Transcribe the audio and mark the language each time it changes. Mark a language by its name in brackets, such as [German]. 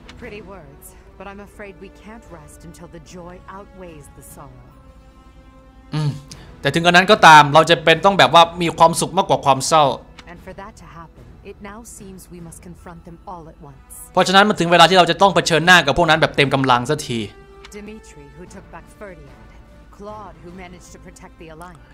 [English] Pretty words but I'm afraid we can't rest until the joy outweighs the sorrow [Thai] แต่ถึงกระนั้นก็ตามเราจะเป็นต้องแบบว่ามีความสุขมากกว่าความเศร้า [English] And for that to happen it now seems we must confront them all at once [Thai] เพราะฉะนั้นมันถึงเวลาที่เราจะต้องเผชิญหน้ากับพวกนั้นแบบเต็มกำลังสักที [English] Dimitri who took back Ferdia Claude who managed to protect the alliance.